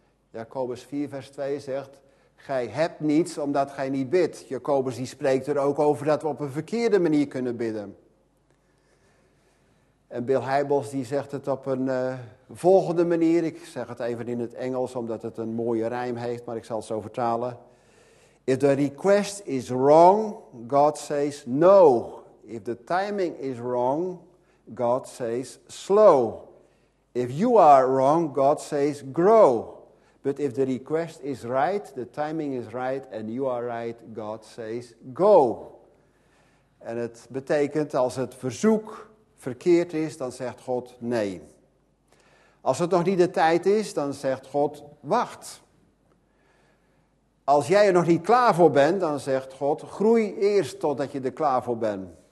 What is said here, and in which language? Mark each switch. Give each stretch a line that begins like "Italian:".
Dutch: Jacobus 4, vers 2 zegt, gij hebt niets omdat gij niet bidt. Jacobus die spreekt er ook over dat we op een verkeerde manier kunnen bidden. En Bill Hybels die zegt het op een volgende manier. Ik zeg het even in het Engels omdat het een mooie rijm heeft, maar ik zal het zo vertalen.
English: If the request is wrong, God says no. If the timing is wrong, God says slow. If you are wrong, God says grow. But if the request is right, the timing is right and you are right, God says go.
Dutch: En het betekent als het verzoek verkeerd is, dan zegt God nee. Als het nog niet de tijd is, dan zegt God wacht. Als jij er nog niet klaar voor bent, dan zegt God groei eerst totdat je er klaar voor bent.